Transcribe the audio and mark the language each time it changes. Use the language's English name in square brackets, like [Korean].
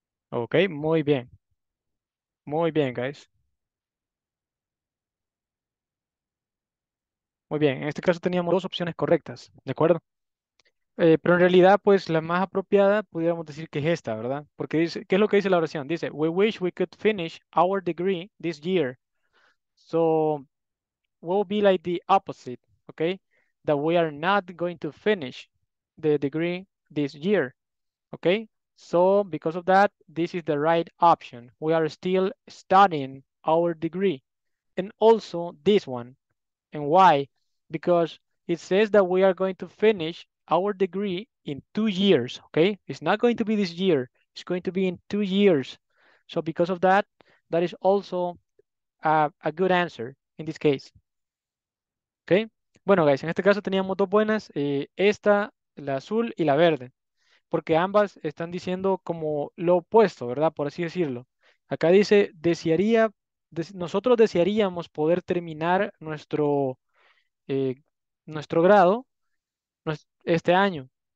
[Spanish] Ok, muy bien. Muy bien, guys. Muy bien, en este caso teníamos dos opciones correctas, ¿de acuerdo? Pero en realidad, pues la más apropiada, pudiéramos decir que es esta, ¿verdad? Porque dice, ¿qué es lo que dice la oración? Dice, [English] we wish we could finish our degree this year. So, will be like the opposite, okay? That we are not going to finish the degree this year, okay? So because of that, this is the right option. We are still studying our degree. And also this one. And why? Because it says that we are going to finish our degree in 2 years, okay? It's not going to be this year. It's going to be in 2 years. So because of that, that is also a good answer in this case. Okay? [Spanish] Bueno, guys, en este caso teníamos dos buenas. Esta, la azul y la verde. Porque ambas están diciendo como lo opuesto, ¿verdad? Por así decirlo. Acá dice, desearía, nosotros desearíamos poder terminar nuestro, nuestro grado este año.